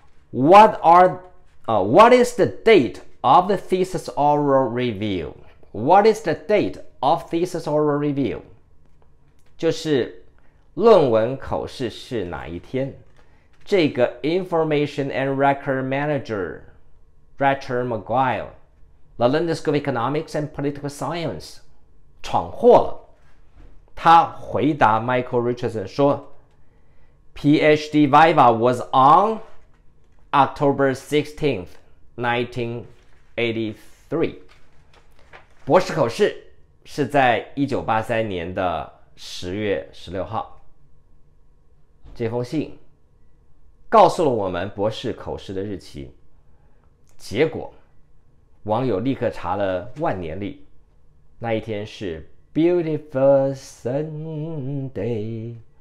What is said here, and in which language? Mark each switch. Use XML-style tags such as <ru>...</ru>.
<en>What is the date of the thesis oral review? What is the date of thesis oral review?</en> <zh>就是论文口试是哪一天？</zh> <en>这个 Information and Record Manager Richard McGuire, the London School of Economics and Political Science,</en> <zh>闯祸了。他回答</zh> <en>Michael Richardson 说 ,PhD Viva was on October 16th, 1983.</en> <zh>博士口试是在1983年的10月16号。这封信告诉了我们博士口试的日期。结果网友立刻查了万年历，那一天是</zh> <en>Beautiful Sunday。</en>